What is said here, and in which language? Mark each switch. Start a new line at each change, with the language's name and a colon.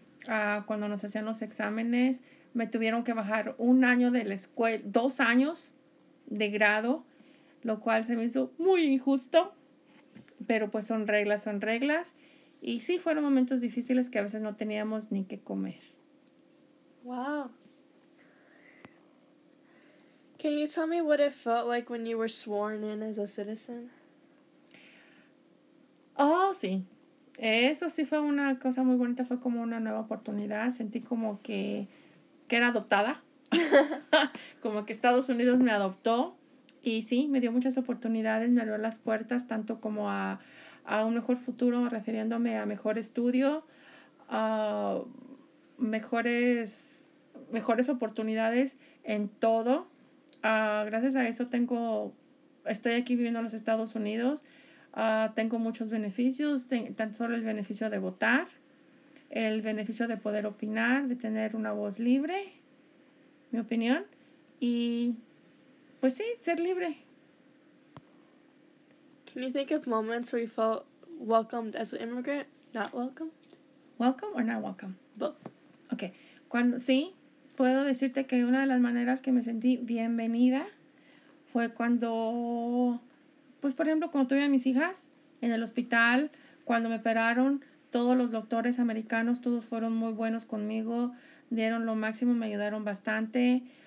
Spanish: Cuando nos hacían los exámenes, me tuvieron que bajar 1 año de la escuela, 2 años de grado, lo cual se me hizo muy injusto, pero pues son reglas. Y sí, fueron momentos difíciles que a veces no teníamos ni qué comer. Wow.
English: Can you tell me what it felt like when you were sworn in as a citizen?
Spanish: Oh, sí. Eso sí fue una cosa muy bonita, fue como una nueva oportunidad. Sentí como que era adoptada, como que Estados Unidos me adoptó. Y sí, me dio muchas oportunidades, me abrió las puertas, tanto como a un mejor futuro, refiriéndome a mejor estudio, a mejores oportunidades en todo. Gracias a eso estoy aquí viviendo en los Estados Unidos. Tengo muchos beneficios, tanto solo el beneficio de votar, el beneficio de poder opinar, de tener una voz libre, mi opinión, y pues sí, ser libre.
English: Can you think of moments where you felt welcomed as an immigrant, not welcomed? Welcome or not welcome? Both. Okay.
Spanish: Sí, puedo decirte que una de las maneras que me sentí bienvenida fue cuando, pues por ejemplo, cuando tuve a mis hijas, En el hospital, cuando me operaron, todos los doctores americanos, todos fueron muy buenos conmigo, dieron lo máximo, me ayudaron bastante.